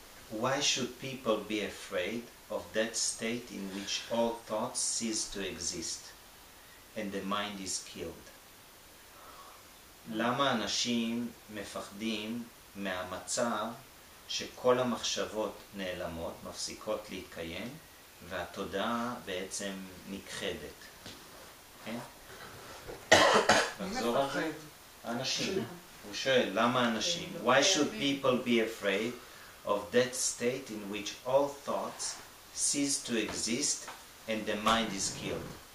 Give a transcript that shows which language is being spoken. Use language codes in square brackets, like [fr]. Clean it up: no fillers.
[en] Why should people be afraid of that state in which all thoughts cease to exist and the mind is killed? [he] למה אנשים מפחדים מהמצב שכל המחשבות נעלמות, מפסיקות להתקיים, והתודעה בעצם נכחדת? נחזור אחרי. אנשים. הוא שואל, למה אנשים? [en] Why should people be afraid of that state in which all thoughts cease to exist and the mind is killed?